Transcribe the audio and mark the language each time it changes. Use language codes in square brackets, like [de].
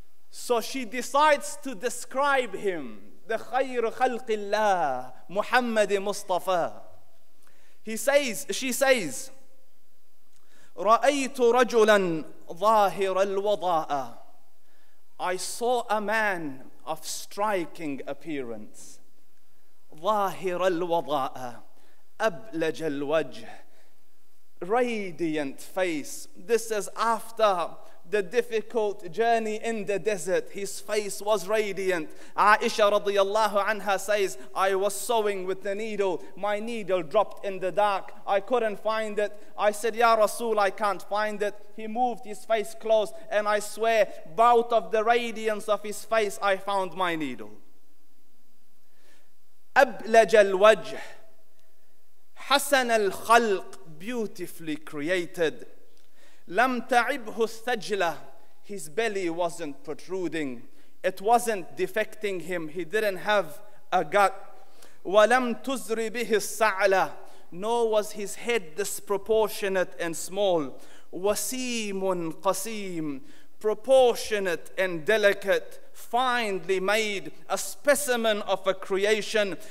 [en] So she decides to describe him, the khayr khalqillah, Muhammad Mustafa. She says, [ar] Ra'aytu rajulan zahir al-wada'a. [en] I saw a man of striking appearance. [ar] ظاهر الوضاء أبلج الوجه, [en] radiant face. This is after the difficult journey in the desert. His face was radiant. Aisha radiallahu anha says, I was sewing with the needle. My needle dropped in the dark. I couldn't find it. I said, Ya Rasul, I can't find it. He moved his face close and I swear, out of the radiance of his face, I found my needle. [ar] أبلج الوجه حسن الخلق, [en] beautifully created. [ar] لم تعبه الثجلة, [en] his belly wasn't protruding, it wasn't defecting him, he didn't have a gut. [ar] ولم تزر به السعلة, [en] nor was his head disproportionate and small. [ar] وسيم قسيم, [en] proportionate and delicate, finely made, a specimen of a creation.